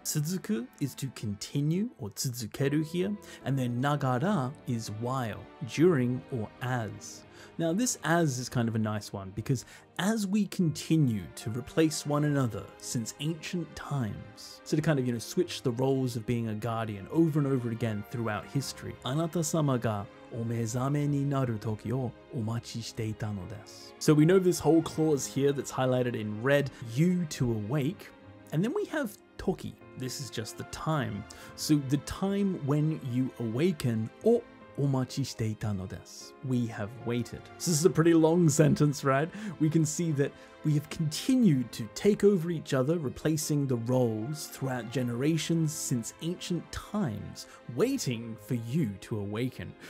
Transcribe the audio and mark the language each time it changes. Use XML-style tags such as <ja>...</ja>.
<en>Tsuzuku is to continue, or tsuzukeru here, and then nagara is while, during, or as. Now this as is kind of a nice one, because as we continue to replace one another since ancient times, so to kind of, you know, switch the roles of being a guardian over and over again throughout history,</en> <ja>anata sama ga お目覚めになる時をお待ちしていたのです。</ja> <en>So we know this whole clause here that's highlighted in red, you to awake. And then we have toki. This is just the time. So the time when you awaken</en> <ja>をお待ちしていたのです。</ja> <en>We have waited. So this is a pretty long sentence, right? We can see that we have continued to take over each other, replacing the roles throughout generations since ancient times, waiting for you to awaken.</en>